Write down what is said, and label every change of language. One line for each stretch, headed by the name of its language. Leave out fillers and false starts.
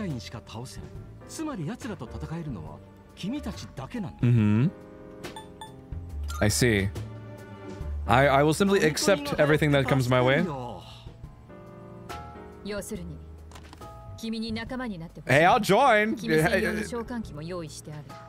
Japanese: ペルソナ。ペルソナ。君が使ってみせた力さ。シャドウはペルソナ使いにしか倒せない。つまり奴らと戦えるのは君たちだけなんだ。
English: I see. I will simply accept everything that comes my way.
Japanese: 要するに君に仲間になってほしい。
English: Hey, I'll join.
Japanese: 君専用の召喚機も用意してある。